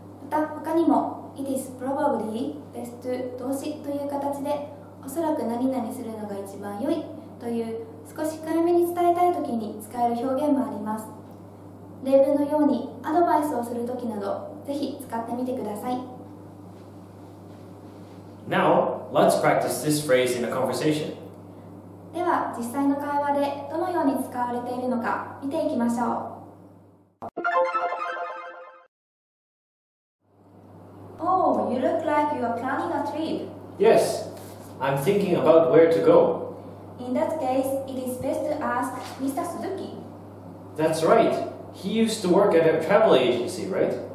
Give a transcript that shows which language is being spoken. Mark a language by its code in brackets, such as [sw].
[ja] また他にも [en] it is probably best to [ja] 動詞という形でおそらく何々するのが一番良いという少し控えめに伝えたいときに使える表現もあります。例文のようにアドバイスをするときなどぜひ使ってみてください。 [en] Now, let's practice this phrase in a conversation. [ja] では実際の会話でどのように使われているのか見ていきましょう。 [en] Oh, you look like you're planning a trip. Yes, I'm thinking about where to go In that case, it is best to ask Mr. Suzuki. That's right. He used to work at a travel agency, right?